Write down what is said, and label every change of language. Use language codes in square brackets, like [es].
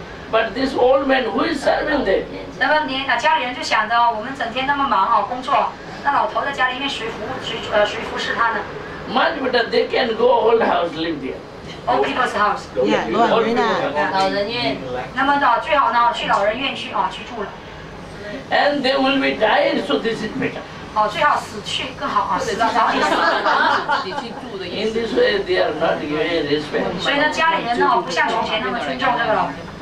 [en] But this old man, who is serving them? [zh] 那么您家里人就想着我们整天那么忙工作。那老头在家里面谁服侍他呢？ [en] Much better, they can go old house live there. Old people's house. [zh] Yeah, 老人院。那么最好呢，去老人院去住了。 [en] And they will be dying, so this is better. [zh] 最好死去更好死了然后自己去住的意思。 [en] In this way, they are not giving respect. [zh] 所以呢，家里人不像从前那么尊重这个老人。